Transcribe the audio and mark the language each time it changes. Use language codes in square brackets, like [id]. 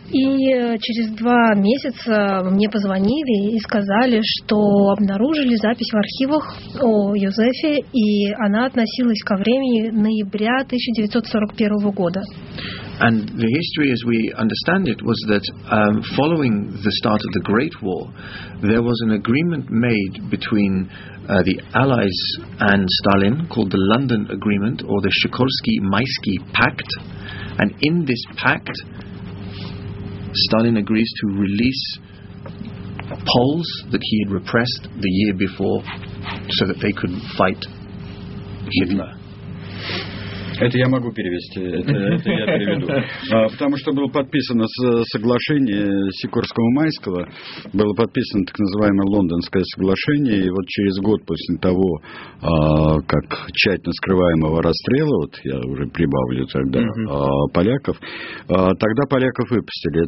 [ru] И через 2 месяца мне позвонили и сказали, что обнаружили запись в архивах о Юзефе, и она относилась ко времени ноября 1941 года. [en] And the history, as we understand it, was that following the start of the Great War, there was an agreement made between the Allies and Stalin called the London Agreement, or the Sikorsky-Majski Pact. And in this pact, Stalin agrees to release Poles that he had repressed the year before so that they could fight Hitler. [ru] Это я могу перевести, это я переведу. Потому что было подписано соглашение Сикорского-Майского, было подписано так называемое Лондонское соглашение, и вот через год после того, как тщательно скрываемого расстрела, вот я уже прибавлю тогда, поляков, тогда поляков выпустили.